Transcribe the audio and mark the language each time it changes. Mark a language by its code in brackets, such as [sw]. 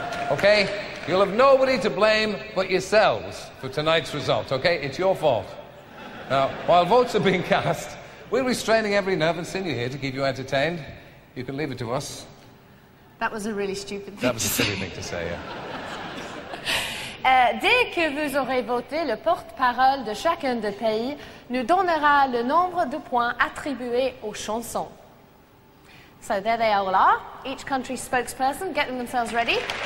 [en] okay? You'll have nobody to blame but yourselves for tonight's result, okay? It's your fault. Now, while votes are being cast, we'll be straining every nerve and sinew here to keep you entertained. You can leave it to us. That was a really stupid thing to say. That was a silly thing to say, yeah. [fr] Dès que vous aurez voté, le porte-parole de chacun des pays nous donnera le nombre de points attribués aux chansons. [en] So there they all are, each country's spokesperson getting themselves ready.